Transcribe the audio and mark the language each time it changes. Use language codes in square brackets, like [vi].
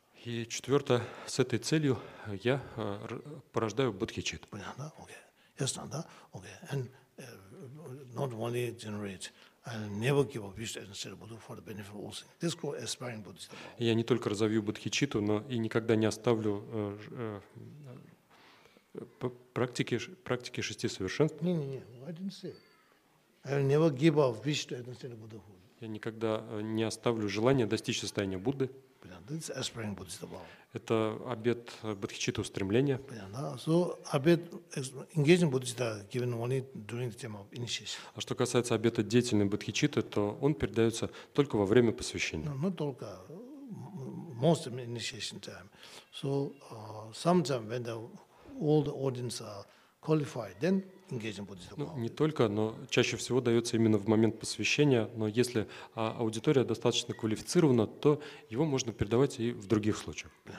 [ru] И четвертое, с этой целью я порождаю бодхичит. Понятно? Okay. Yes, да? Okay. [en] And not only generate, I'll never give up wish and instead of Buddha for the benefit of all things. This is called aspiring bodhicitta. [ru] Я не только разовью бодхичитту, но и никогда не оставлю практики шести совершенств. [en] Не, I didn't say. I'll never give up wish to understand Buddhahood. [ru] Я никогда не оставлю желания достичь состояния Будды. [en] That's aspiring Buddhist vow. [ru] Это обет бодхичитта устремления. [en] So, обет engaging Buddhist vow given only during the time of initiation. [ru] А что касается обета деятельной бодхичитты, то он передается только во время посвящения. [en] No, not только, most of initiation time. So, sometime when all the audience are qualified, then [ru] ну, не только, но чаще всего дается именно в момент посвящения. Но если аудитория достаточно квалифицирована, то его можно передавать и в других случаях.